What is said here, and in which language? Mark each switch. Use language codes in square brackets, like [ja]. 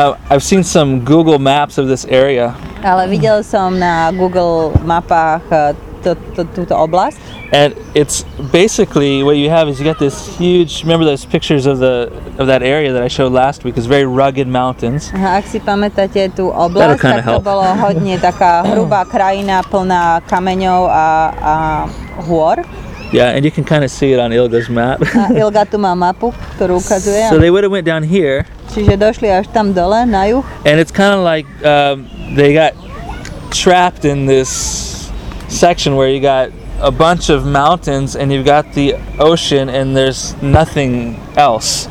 [en] I've seen some Google maps of this area. [sk] Ale videl som na Google mapách túto oblasť. [en] And it's basically what you have is you got this huge, remember those pictures of that area that I showed last week, it's very rugged mountains. [sk] Ak si pamätáte tú oblasť, tak to bolo hodne taká hrubá krajina plná kameňov a hôr. [en] Yeah, and you can kind of see it on Ilga's map. [sk] Ilga tu má mapu, ktorú ukazuje. [en] So they would have went down here. [sk] Čiže došli až tam dole, na juh. [en] And it's kind of like they got trapped in this section where you got a bunch of mountains and you've got the ocean and there's nothing else.